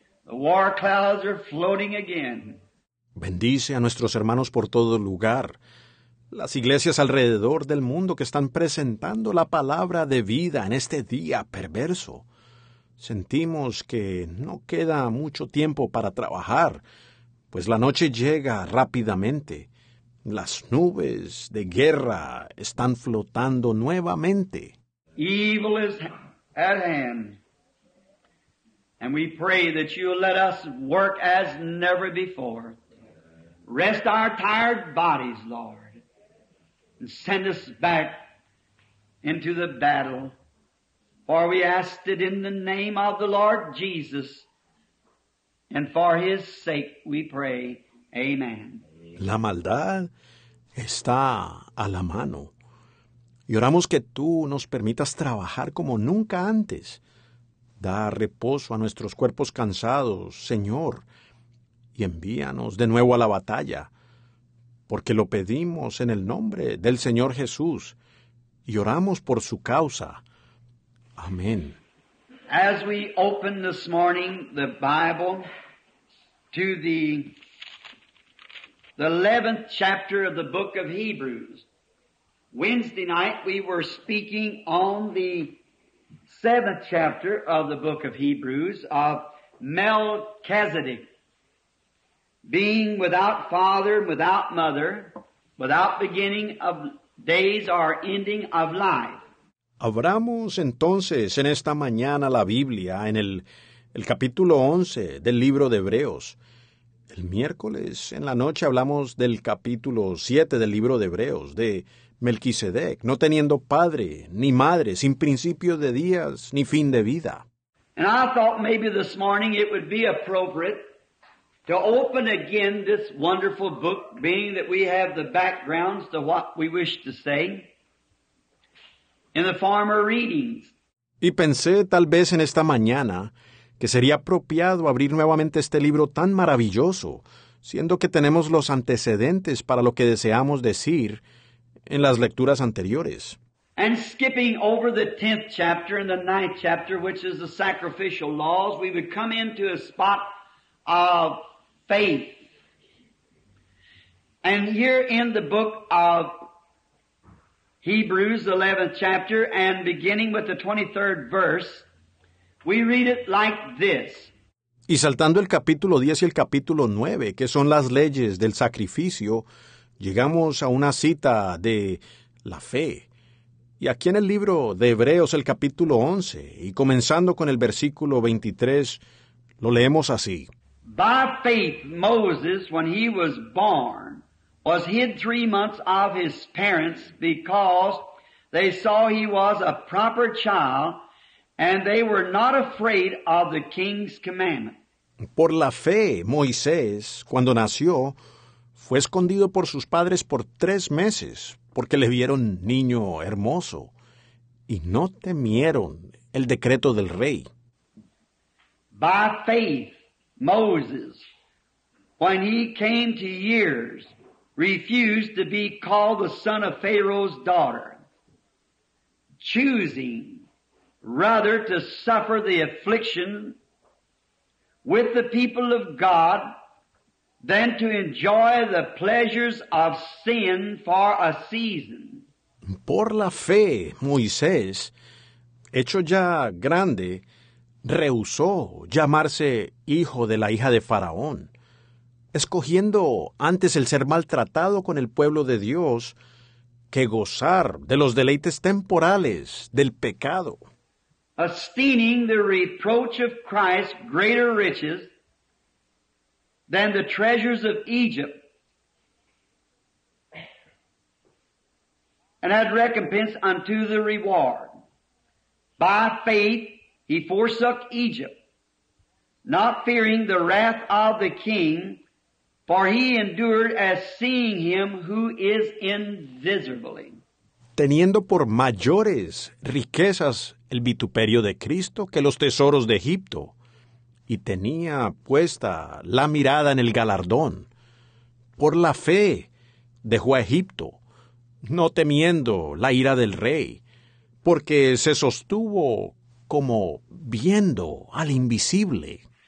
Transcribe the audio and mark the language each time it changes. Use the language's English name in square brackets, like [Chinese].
[English] The war clouds are floating again. [Spanish] Bendice a nuestros hermanos por todo lugar, las iglesias alrededor del mundo que están presentando la palabra de vida en este día perverso. Sentimos que no queda mucho tiempo para trabajar, pues la noche llega rápidamente. Las nubes de guerra están flotando nuevamente. [English] Evil is at hand. And we pray that you let us work as never before. Rest our tired bodies, Lord, and send us back into the battle. For we ask it in the name of the Lord Jesus, and for his sake we pray, amen. [Spanish] La maldad está a la mano. Y oramos que tú nos permitas trabajar como nunca antes. Da reposo a nuestros cuerpos cansados, Señor, y envíanos de nuevo a la batalla, porque lo pedimos en el nombre del Señor Jesús y oramos por su causa. Amén. [English] As we open this morning the Bible to the 11th chapter of the book of Hebrews, Wednesday night we were speaking on the 7th chapter of the book of Hebrews of Melchizedek, being without father, without mother, without beginning of days or ending of life. [Spanish] Abramos entonces en esta mañana la Biblia en el capítulo 11 del libro de Hebreos. El miércoles en la noche hablamos del capítulo 7 del libro de Hebreos, de Melquisedec, no teniendo padre ni madre, sin principio de días ni fin de vida. [English] And I thought maybe this morning it would be appropriate to open again this wonderful book, being that we have the backgrounds to what we wish to say in the former readings. [Spanish] Y pensé tal vez en esta mañana que sería apropiado abrir nuevamente este libro tan maravilloso, siendo que tenemos los antecedentes para lo que deseamos decir en las lecturas anteriores. [English] And skipping over the 10th chapter and the 9th chapter, which is the sacrificial laws, we would come into a spot of faith. And here in the book of Hebrews, 11th chapter, and beginning with the 23rd verse, we read it like this. [Spanish] Y saltando el capítulo 10 y el capítulo 9, que son las leyes del sacrificio, llegamos a una cita de la fe. Y aquí en el libro de Hebreos, el capítulo 11, y comenzando con el versículo 23, lo leemos así. [English] By faith, Moses, when he was born, was hid 3 months of his parents, because they saw he was a proper child, and they were not afraid of the king's commandment. [Spanish] Por la fe, Moisés, cuando nació, fue escondido por sus padres por 3 meses, porque le vieron niño hermoso, y no temieron el decreto del rey. [English] By faith, Moses, when he came to years, refused to be called the son of Pharaoh's daughter, choosing rather to suffer the affliction with the people of God than to enjoy the pleasures of sin for a season. [Spanish] Por la fe, Moisés, hecho ya grande, rehusó llamarse hijo de la hija de Faraón, escogiendo antes el ser maltratado con el pueblo de Dios que gozar de los deleites temporales del pecado. [English] Esteeming the reproach of Christ greater riches than the treasures of Egypt, and had recompense unto the reward. By faith he forsook Egypt, not fearing the wrath of the king, for he endured as seeing him who is invisible. [Spanish] Teniendo por mayores riquezas el vituperio de Cristo que los tesoros de Egipto, y tenía puesta la mirada en el galardón. Por la fe dejó a Egipto, no temiendo la ira del rey, porque se sostuvo como viendo al invisible.